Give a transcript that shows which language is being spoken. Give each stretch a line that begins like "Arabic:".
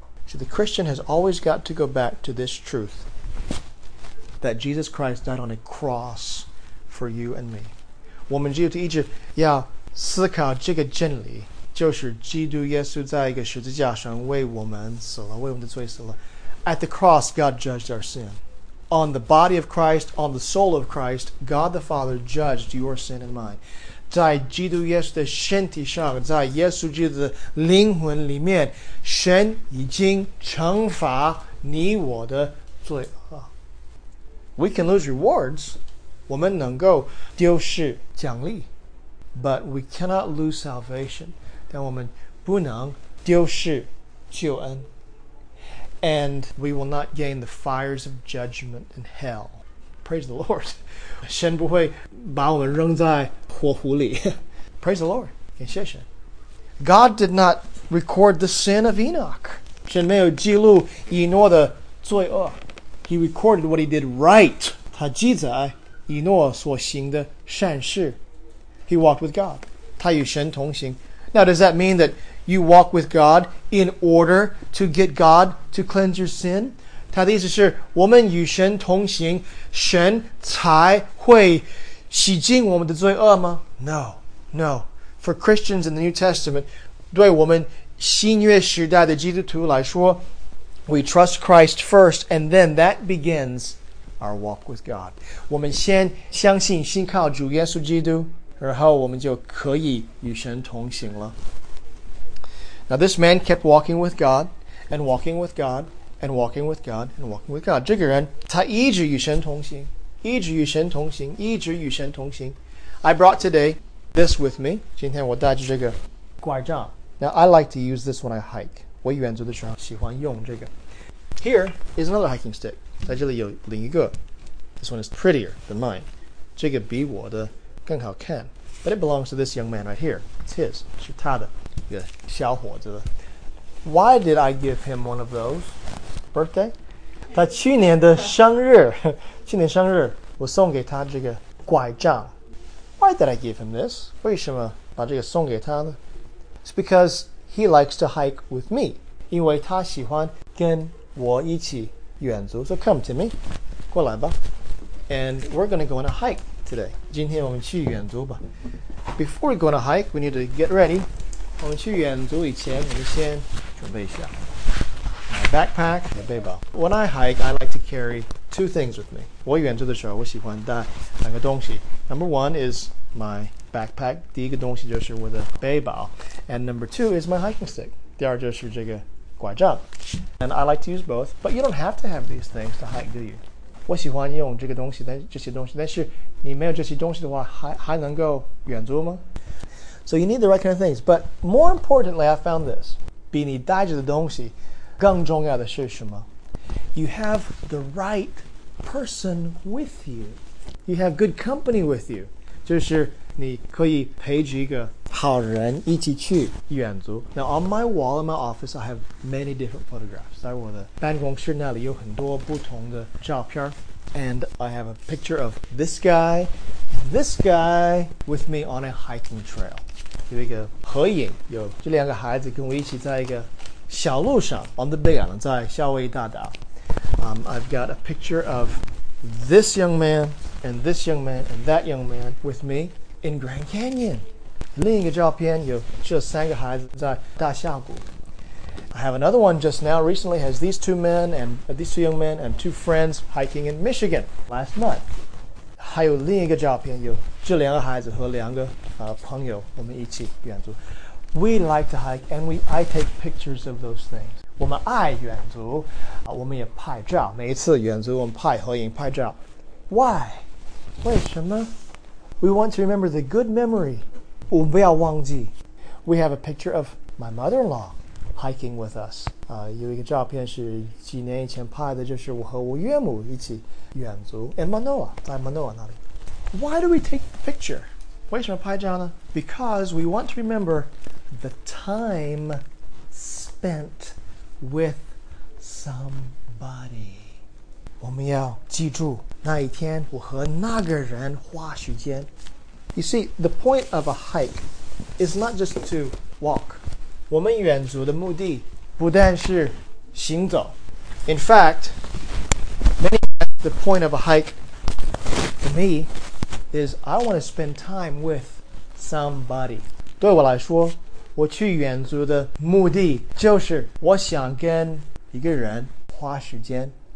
English: See, the Christian has always got to go back to this truth that Jesus Christ died on a cross for you and me.
Chinese: 我们基督徒一直要思考这个真理就是基督耶稣在一个十字架上为我们死了为我们的罪死了。
English: At the cross, God judged our sin. On the body of Christ, on the soul of Christ, God the Father judged your sin and mine.
Chinese: 在基督耶稣的身体上在耶稣基督的灵魂里面神已经惩罚你我的罪恶
English: We can lose rewards
Chinese: 我们能够丢失奖励
English: But we cannot lose salvation
Chinese: 但我们不能丢失救恩
English: And we will not gain the fires of judgment in hell Praise the Lord
Chinese: 神不会把我们扔在火狐里
English: Praise the Lord
Chinese: 感谢神
English: God did not record the sin of Enoch
Chinese: 神没有记录以诺的罪恶
English: He recorded what he did right
Chinese: 他记载以诺所行的善事
English: He walked with God
Chinese: 他与神同行
English: Now does that mean that you walk with God in order to get God to cleanse your sin?
Chinese: 他的意思是我们与神同行神才会洗净我们的罪恶吗?
English: No. For Christians in the New Testament,
Chinese: 对我们新约时代的基督徒来说,
English: we trust Christ first, and then that begins our walk with God.
Chinese: 我们先相信信靠主耶稣基督,然后我们就可以与神同行了。
English: Now this man kept walking with God, and walking with God, and walking with God, and walking with God.
Chinese: 这个人,他一直与神同行。一直与神同行，一直与神同行。
English: I brought today this with me.
Chinese: 今天我带着这个拐杖。
English: Now, I like to use this when I hike.
Chinese: 我原则的时候喜欢用这个。
English: Here is another hiking stick.
Chinese: 在这里有另一个。
English: This one is prettier than mine.
Chinese: 这个比我的更好看。
English: But it belongs to this young man right here. It's his.
Chinese: 是他的。一个小伙子的。
English: Why did I give him one of those? Birthday?
Chinese: 他去年的生日。去年生日我送给他这个拐杖。
English: Why did I give him this?
Chinese: 为什么把这个送给他呢？
English: It's because he likes to hike with me.
Chinese: 因为他喜欢跟我一起远足。
English: So come to me.
Chinese: 过来吧。
English: And we're going to go on a hike today.
Chinese: 今天我们去远足吧。
English: Before we go on a hike, we need to get ready.
Chinese: 我们去远足以前我们先准备一下。
English: My backpack, my
Chinese: 背包。
English: When I hike, I like to carry two things with me.
Chinese: 我远足的时候我喜欢带两个东西。
English: Number one is my backpack.
Chinese: 第一个东西就是我的背包。
English: And number two is my hiking stick.
Chinese: 第二就是这个拐杖。
English: And I like to use both, but you don't have to have these things to hike, do you?
Chinese: 我喜欢用这个东西，但这些东西，但是你没有这些东西的话，还能够远足吗？
English: So you need the right kind of things. But more importantly, I found this.
Chinese: 比你带着的东西更重要的是什么？
English: You have the right person with you. You have good company with you.
Chinese: 就是你可以陪着一个好人一起去远足。
English: Now, on my wall in my office, I have many different photographs.
Chinese: 在我的办公室那里有很多不同的照片。
English: And I have a picture of this guy with me on a hiking trail.
Chinese: 有一个合影，有这两个孩子跟我一起在一个小路上
English: on the Big Island,
Chinese: 在夏威夷大岛。
English: I've got a picture of this young man and this young man and that young man with me. In Grand Canyon.
Chinese: 另一个照片有这三个孩子在大峡谷。
English: I have another one just now recently has these two men and these two young men and two friends hiking in Michigan last month.
Chinese: 还有另一个照片有这两个孩子和两个朋友我们一起远足。
English: We like to hike and I take pictures of those things.
Chinese: 我们爱远足我们也拍照每一次远足我们拍合影拍照。
English: Why?
Chinese: 为什么
English: We want to remember the good memory.
Chinese: 我们不要忘记。
English: We have a picture of my mother-in-law hiking with us.
Chinese: 有一个照片是几年以前拍的，就是我和我岳母一起远足。
English: In Manoa,
Chinese: 在 Manoa 那里。
English: Why do we take the picture?
Chinese: 为什么拍照呢？
English: Because we want to remember the time spent with somebody.
Chinese: 我们要记住那一天我和那个人花时间。
English: You see, the point of a hike is not just to walk.
Chinese: 我们远足的目的不但是行走。
English: In fact, many times the point of a hike for me is I want to spend time with somebody.
Chinese: 对我来说我去远足的目的就是我想跟一个人花时间。